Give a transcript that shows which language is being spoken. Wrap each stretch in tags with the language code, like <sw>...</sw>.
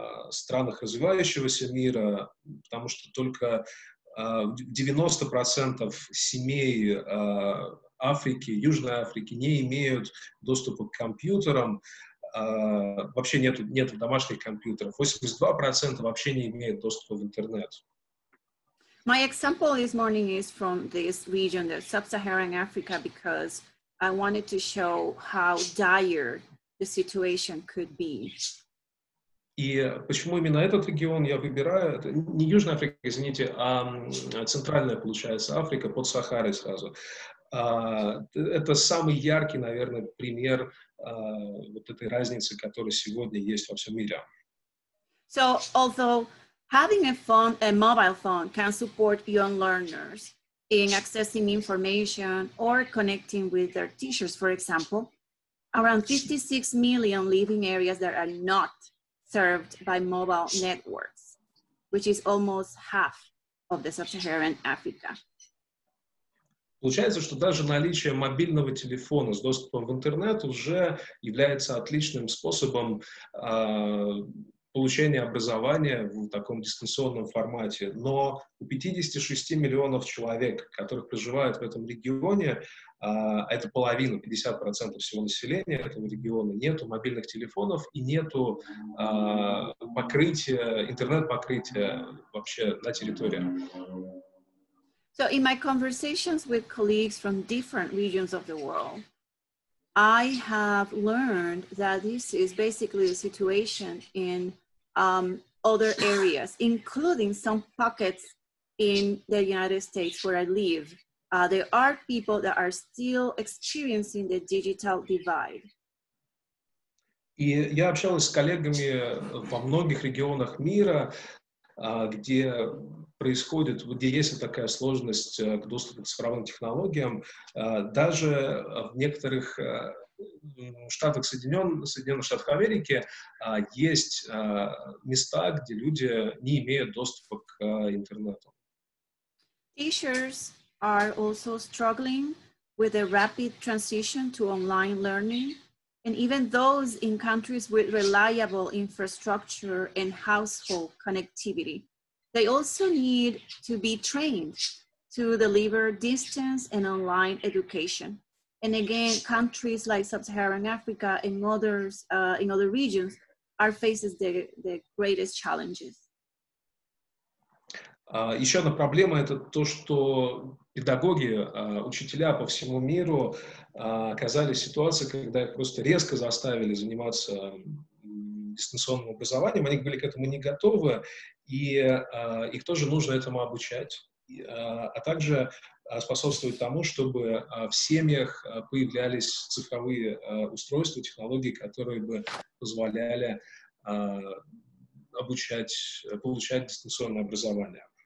<ru>странах развивающегося мира, потому что только 90% семей Африки, Южной Африки не имеют доступа к компьютерам, вообще нету домашних компьютеров, 82% вообще не имеют доступа в интернет.</ru> <en>My example this morning is from this region, the Sub-Saharan Africa, because I wanted to show how dire the situation could be.</en> <ru>И почему именно этот регион я выбираю? Это не Южная Африка, извините, а центральная, получается, Африка, под Сахарой сразу. Это самый яркий, наверное, пример вот этой разницы, которая сегодня есть во всем мире.</ru> <en>So, although having a mobile phone can support young learners in accessing information or connecting with their teachers, for example, around 56 million living areas that are not served by mobile networks, which is almost half of the Sub-Saharan Africa.</en> <ru>Получается, что даже наличие мобильного телефона с доступом в интернет уже является отличным способом получения образования в таком дистанционном формате. Но у 56 миллионов человек, которых проживают в этом регионе, это половина, 50% всего населения этого региона, нету мобильных телефонов и нету покрытия, интернет-покрытия вообще на территории.</ru> <en>So in my conversations with colleagues from different regions of the world, I have learned that this is basically the situation in other areas, including some pockets in the United States where I live. There are people that are still experiencing the digital divide.</en> <ru>И я общалась с коллегами во многих регионах мира, где происходит, где есть такая сложность к доступу к цифровым технологиям, даже в некоторых штатах Соединенных Штатов Америки есть места, где люди не имеют доступа к интернету.</ru> <en>Teachers are also struggling with a rapid transition to online learning, and even those in countries with reliable infrastructure and household connectivity. They also need to be trained to deliver distance and online education. And again, countries like Sub-Saharan Africa and others in other regions are faces the greatest challenges.</en> <ru>Еще одна проблема — это то, что педагоги, учителя по всему миру оказались в ситуации, когда их просто резко заставили заниматься дистанционным образованием, они были к этому не готовы, и их тоже нужно этому обучать, а также способствовать тому, чтобы в семьях появлялись цифровые устройства, технологии, которые бы позволяли обучать, получать дистанционное образование.</ru>